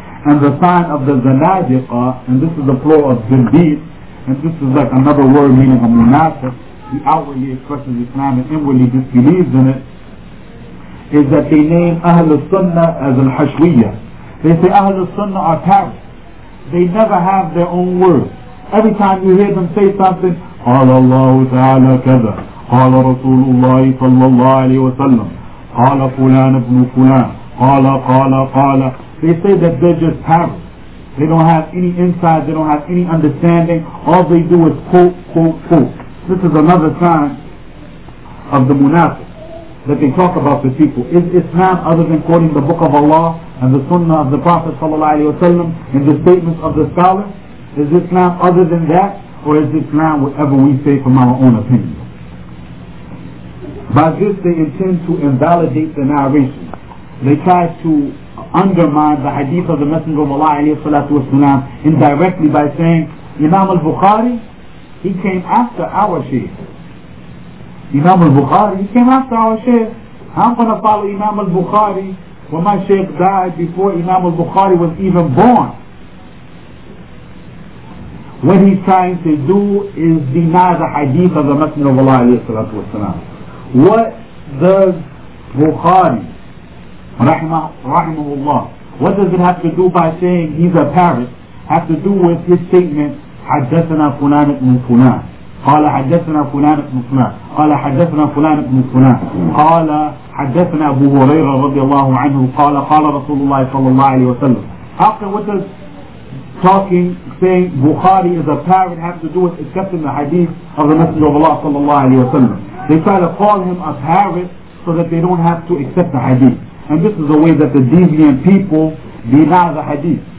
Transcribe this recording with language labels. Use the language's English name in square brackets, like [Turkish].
[English] And the sign of the zanadiqa, and this is the plural of zindid, and this is like another word meaning a munafiq, the outwardly expresses Islam and inwardly disbelieves in it, is that they name Ahl al-Sunnah as al-Hashwiyyah. They say Ahl al-Sunnah are parrots. They never have their own words. Every time you hear them say something, [Arabic] قال الله تعالى كذا قال رسول الله صلى الله عليه وسلم قال فلان ابن فلان قال قال قال, [English] they say that they're just parrots. They don't have any insight, they don't have any understanding, all they do is quote, quote, quote. This is another sign of the munafiq, that they talk about the people. Is Islam other than quoting the book of Allah and the sunnah of the Prophet sallallahu alayhi wa sallam and the statements of the scholars? Is Islam other than that, or is Islam whatever we say from our own opinion? By this they intend to invalidate the narration. They try to undermine the hadith of the Messenger of Allah alayhi salatu wasalam indirectly by saying Imam al-Bukhari, he came after our Shaykh. Imam al-Bukhari, he came after our Shaykh. I'm going to follow Imam al-Bukhari when my Shaykh died before Imam al-Bukhari was even born. What he's trying to do is deny the hadith of the Messenger of Allah alayhi salatu wasalam. What does Bukhari, rahimahullah, what does it have to do by saying he's a parrot, have to do with his statement, [Arabic] حَدَّثَنَا فُلَانَ اِبْنُ فُلَانَ قَالَ حَدَّثَنَا فُلَانَ اِبْنُ فُلَانَ قَالَ حَدَّثَنَا فُلَانَ اِبْنُ فُلَانَ قَالَ حَدَّثَنَا أَبُو هُرَيْرَ رَضِيَ اللَّهُ عَنْهُ قَالَ قَالَ رَسُولُ اللَّهِ صَلَّى اللَّهِ عَلَيْهِ وَسَلَّمَ. [English] How can, what does talking, saying Bukhari is a parrot have to do with accepting the hadith of the Messenger of Allah [Arabic] صَلَّى اللَّهِ عَلَيْهِ وَسَلَّمَ? [English] They try to call him a parrot so that they don't have to accept the hadith. And this is the way that the deviant people deny the hadith.